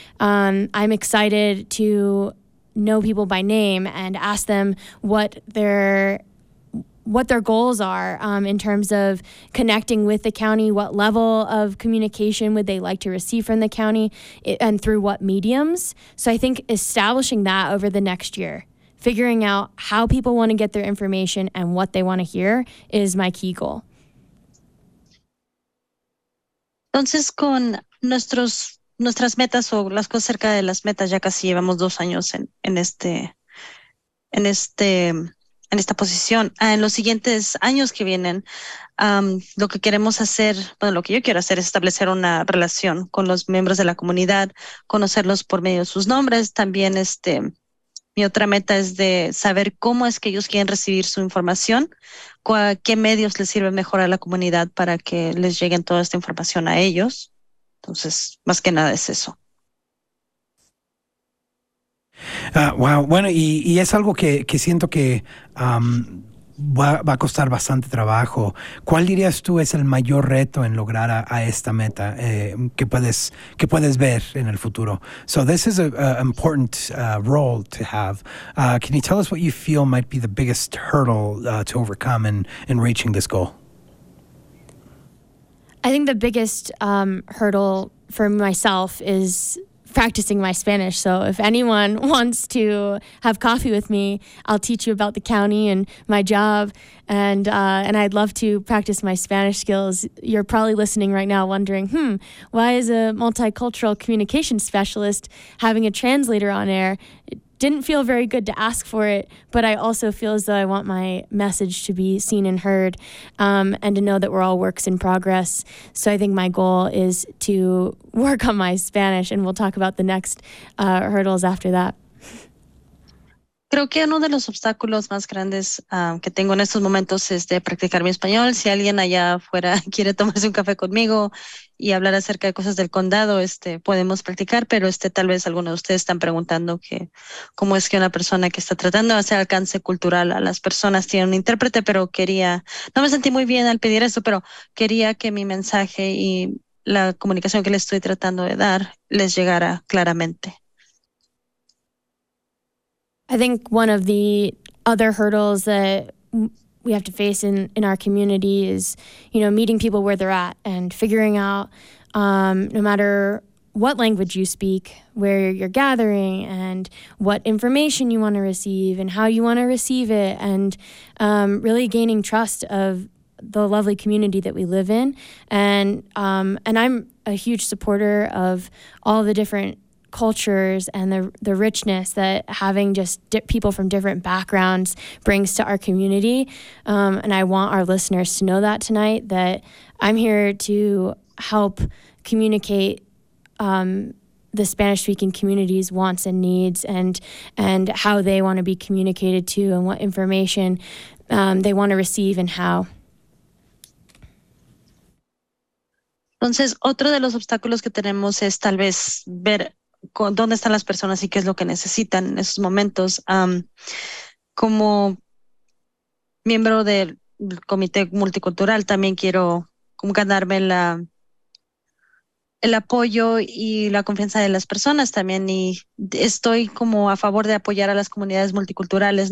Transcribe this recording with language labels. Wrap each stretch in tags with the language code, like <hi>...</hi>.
<en>I'm excited to know people by name and ask them what their goals are in terms of connecting with the county, what level of communication would they like to receive from the county, and through what mediums. So I think establishing that over the next year, figuring out how people want to get their information and what they want to hear, is my key goal.</en> <es>Entonces, con nuestras metas, o las cosas cerca de las metas, ya casi llevamos 2 años en esta posición. En los siguientes años que vienen, lo que queremos hacer, bueno, lo que yo quiero hacer es establecer una relación con los miembros de la comunidad, conocerlos por medio de sus nombres. También mi otra meta es de saber cómo es que ellos quieren recibir su información, qué medios les sirven mejor a la comunidad para que les llegue toda esta información a ellos. Entonces, más que nada es eso. Bueno, y es algo que siento que va a costar bastante trabajo. ¿Cuál dirías tú es el mayor reto en lograr a esta meta que puedes ver en el futuro?</es> <en>So this is an important role to have. Can you tell us what you feel might be the biggest hurdle to overcome in reaching this goal? I think the biggest hurdle for myself is practicing my Spanish. So if anyone wants to have coffee with me, I'll teach you about the county and my job. And I'd love to practice my Spanish skills. You're probably listening right now wondering, why is a multicultural communication specialist having a translator on air? It didn't feel very good to ask for it, but I also feel as though I want my message to be seen and heard, and to know that we're all works in progress. So I think my goal is to work on my Spanish, and we'll talk about the next hurdles after that.</en> <es>Creo que uno de los obstáculos más grandes que tengo en estos momentos es de practicar mi español. Si alguien allá afuera quiere tomarse un café conmigo y hablar acerca de cosas del condado, podemos practicar, pero tal vez alguno de ustedes están preguntando que cómo es que una persona que está tratando de hacer alcance cultural a las personas tiene un intérprete, pero quería, no me sentí muy bien al pedir eso, pero quería que mi mensaje y la comunicación que le estoy tratando de dar les llegara claramente.</es> <en>I think one of the other hurdles that we have to face in our community is, you know, meeting people where they're at and figuring out, no matter what language you speak, where you're gathering and what information you want to receive and how you want to receive it, and really gaining trust of the lovely community that we live in. And I'm a huge supporter of all the different cultures and the richness that having just people from different backgrounds brings to our community. And I want our listeners to know that tonight, that I'm here to help communicate the Spanish-speaking community's wants and needs and how they want to be communicated to and what information they want to receive and how.</en> <es>Entonces, otro de los obstáculos que tenemos es tal vez ver dónde están las personas y qué es lo que necesitan en esos momentos. Como miembro del comité multicultural, también quiero como ganarme el apoyo y la confianza de las personas también, y estoy como a favor de apoyar a las comunidades multiculturales.</es>